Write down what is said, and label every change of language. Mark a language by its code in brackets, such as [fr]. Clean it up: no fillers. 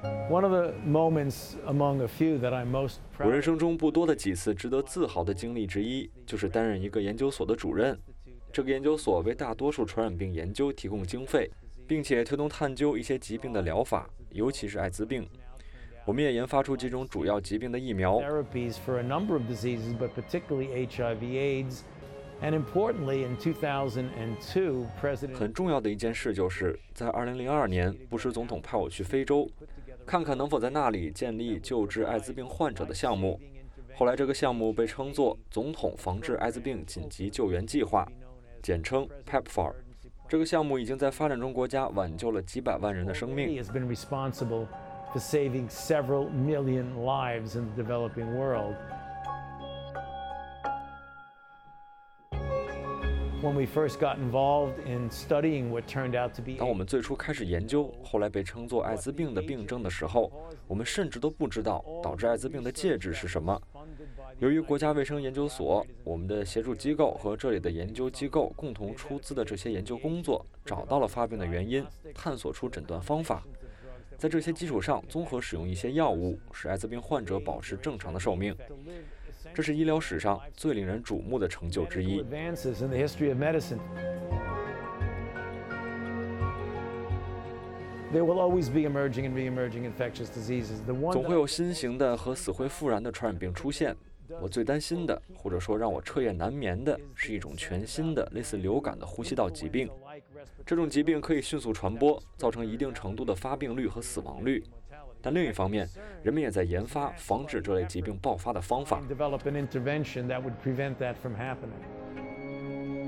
[en] One of the moments among a few that I'm most proud of. [zh] 我人生中不多的几次值得自豪的经历之一，就是担任一个研究所的主任。这个研究所为大多数传染病研究提供经费，并且推动探究一些疾病的疗法，尤其是艾滋病。我们也研发出几种主要疾病的疫苗。 [en] Therapies for a number of diseases, but particularly HIV/AIDS, and importantly, in 2002, President. [zh] 很重要的一件事就是，在2002年，布什总统派我去非洲，看看能否在那里建立救治艾滋病患者的项目。后来，这个项目被称作“总统防治艾滋病紧急救援计划”。简称 PEPFAR， 这个项目已经在发展中国家挽救了几百万人的生命。 [en] Has been responsible for saving several million lives in the developing world. When we first got involved in studying what turned out to be [zh] 当我们最初开始研究，后来被称作艾滋病的病症的时候，我们甚至都不知道导致艾滋病的介质是什么。由于国家卫生研究所、我们的协助机构和这里的研究机构共同出资的这些研究工作，找到了发病的原因，探索出诊断方法，在这些基础上综合使用一些药物，使艾滋病患者保持正常的寿命。这是医疗史上最令人瞩目的成就之一。 [en] There will always be emerging and re-emerging infectious diseases. The one [zh] 总会有新型的和死灰复燃的传染病出现。我最担心的，或者说让我彻夜难眠的，是一种全新的类似流感的呼吸道疾病。这种疾病可以迅速传播，造成一定程度的发病率和死亡率。但另一方面，人们也在研发防止这类疾病爆发的方法。 [en] Develop an intervention that would prevent that from happening.